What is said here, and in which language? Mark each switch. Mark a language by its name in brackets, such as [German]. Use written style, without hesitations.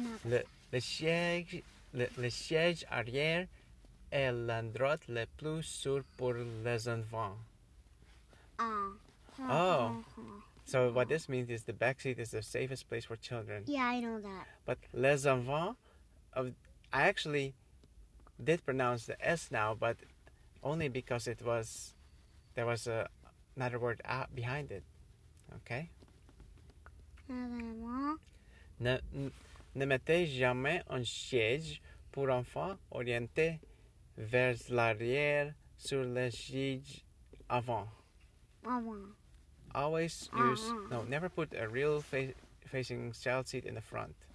[French] Le siège arrière est l'endroit le plus sûr pour les enfants. Ah. Oh. [English] So what this means is the backseat is the safest place for children. Yeah, I know that. But [French] les enfants, [English] I actually did pronounce the S now, but only because there was another word behind it. Okay? [French] Les enfants. Ne mettez jamais un siège pour enfant orienté vers l'arrière sur le siège avant. Avant. [English] Always use... Uh-huh. No, never put a real facing child seat in the front.